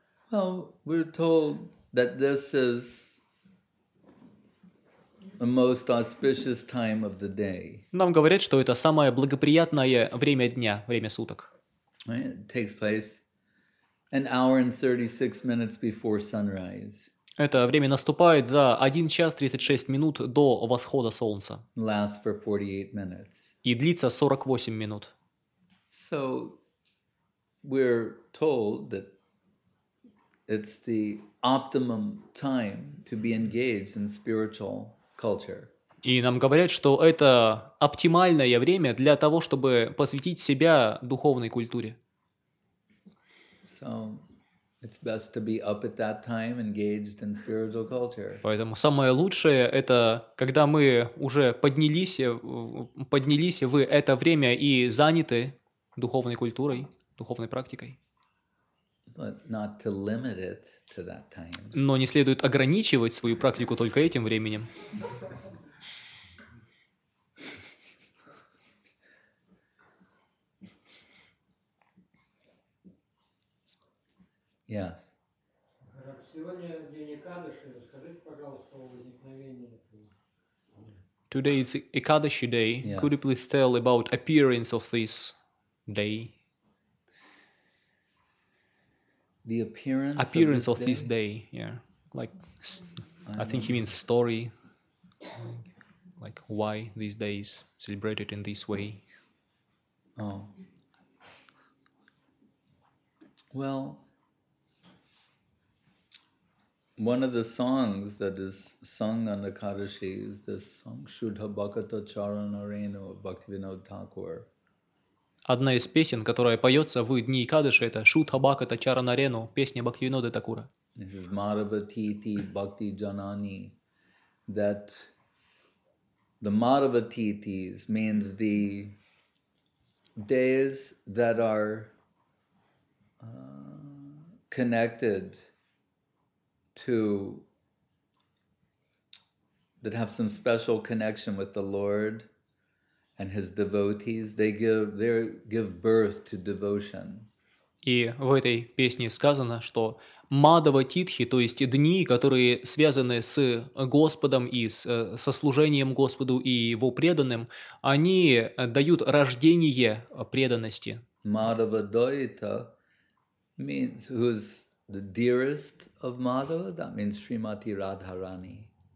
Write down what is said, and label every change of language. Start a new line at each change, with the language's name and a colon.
English: Well, we're told that this is the most auspicious time of the day.
Russian: Нам говорят, что это самое благоприятное время дня, время суток.
English: It takes place an hour and 36 minutes before sunrise.
Russian: Это время наступает за 1 час 36 минут до восхода солнца.
English: Lasts for 48 minutes.
Russian: И длится 48 минут.
English: So we're told that it's the optimum time to be engaged in spiritual culture.
Russian: И нам говорят, что это оптимальное время для того, чтобы посвятить себя духовной культуре.
English: So, it's best to be up at that time, engaged in spiritual culture.
Russian: Поэтому самое лучшее – это когда мы уже поднялись в это время и заняты духовной культурой, духовной практикой.
English: But not to limit it to that time.
Russian: Но не следует ограничивать свою практику только этим временем.
English: Yes.
Russian: Сегодня день Экадаши. Расскажите, пожалуйста, о возникновении этого.
English: Today is Ekadashi day. Yes. Could you please tell about appearance of this day? The appearance of this day, yeah. Like, I think he means story. Like, why this day is celebrated in this way. Oh. Well, one of the songs that is sung on Ekadashi is this song, Shuddha Bhakata Charana Renu of Bhaktivinoda Thakur.
Russian: Одна из песен, которая поется в дни Экадаши, это Шудха Бхаката Чарана Рену, песня Бхактивинода Такура.
English: Марава Тити Бхакти Джанани, that the Марава Титис means the days that are connected to, that have some special connection with the Lord. And his devotees, they give birth to devotion.
Russian: И в этой песне сказано, что Мадава Титхи, то есть дни, которые связаны с Господом и со служением Господу и его преданным, они дают рождение преданности.
English: Мадава Дойта means who's the dearest of Мадава, that means Шримати Радхарани.